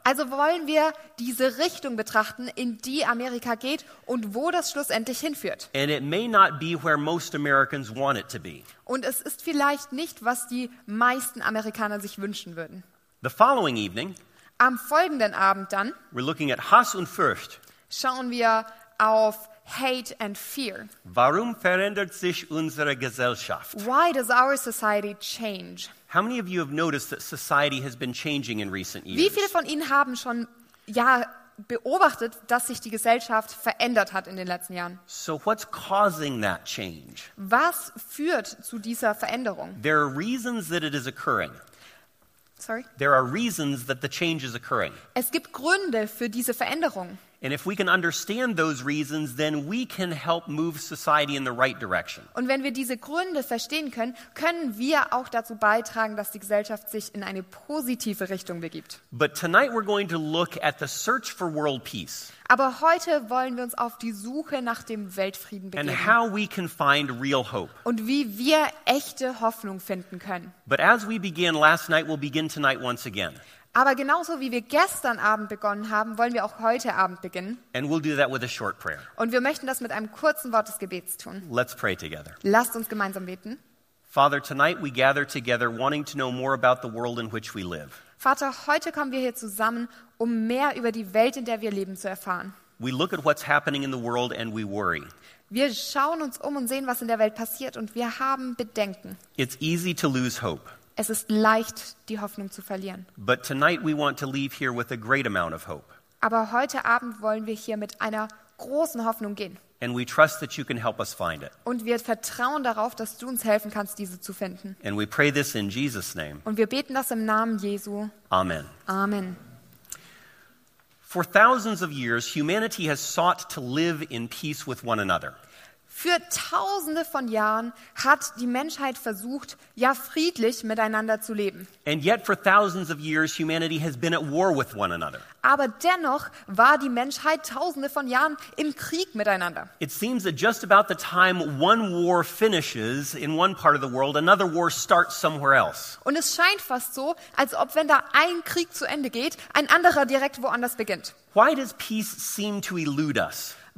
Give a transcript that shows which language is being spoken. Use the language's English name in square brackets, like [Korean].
[German] Also wollen wir diese Richtung betrachten, in die Amerika geht und wo das schlussendlich hinführt. [English] And it may not be where most Americans want it to be. [German] Und es ist vielleicht nicht, was die meisten Amerikaner sich wünschen würden. [English] The following evening, [German] am folgenden Abend dann, [English] we're looking at [German] Hass und Furcht. Schauen wir auf [English] Hate and fear. [German] Warum verändert sich unsere Gesellschaft? [English] Why does our society change? How many of you have noticed that society has been changing in recent years? [German] Wie viele von Ihnen haben schon beobachtet, dass sich die Gesellschaft verändert hat in den letzten Jahren? [English] So what's causing that change? [German] Was führt zu dieser Veränderung? [English] There are reasons that it is occurring. Sorry? There are reasons that the change is occurring. [German] Es gibt Gründe für diese Veränderung. [English] And if we can understand those reasons, then we can help move society in the right direction. [German] Und wenn wir diese Gründe verstehen können, können wir auch dazu beitragen, dass die Gesellschaft sich in eine positive Richtung begibt. [English] But tonight we're going to look at the search for world peace. [German] Aber heute wollen wir uns auf die Suche nach dem Weltfrieden begeben. [English] And how we can find real hope. [German] Und wie wir echte Hoffnung finden können. [English] But as we began last night, we'll begin tonight once again. [German] Aber genauso wie wir gestern Abend begonnen haben, wollen wir auch heute Abend beginnen. [English] And we'll do that with a short prayer. [German] Und wir möchten das mit einem kurzen Wort des Gebets tun. [English] Let's pray together. [German] Lasst uns gemeinsam beten. [English] Father, tonight we gather together wanting to know more about the world in which we live. [German] Vater, heute kommen wir hier zusammen, um mehr über die Welt, in der wir leben, zu erfahren. [English] We look at what's happening in the world and we worry. [German] Wir schauen uns um und sehen, was in der Welt passiert, und wir haben Bedenken. [English] It's easy to lose hope. [German] Es ist leicht, die Hoffnung zu verlieren. [English] But tonight we want to leave here with a great amount of hope. [German] Aber heute Abend wollen wir hier mit einer großen Hoffnung gehen. [English] And we trust that you can help us find it. [German] Und wir vertrauen darauf, dass du uns helfen kannst, diese zu finden. [English] And we pray this in Jesus' name. [German] Und wir beten das im Namen Jesu. [English] Amen. [German] Amen. [English] For thousands of years, humanity has sought to live in peace with one another. [German] Für tausende von Jahren hat die Menschheit versucht, ja friedlich miteinander zu leben. [English] And yet for thousands of years humanity has been at war with one another. [German] Aber dennoch war die Menschheit tausende von Jahren im Krieg miteinander. [English] It seems that just about the time one war finishes in one part of the world, another war starts somewhere else. [German] Und es scheint fast so, als ob wenn da ein Krieg zu Ende geht, ein anderer direkt woanders beginnt. [English] Why does peace seem to elude us?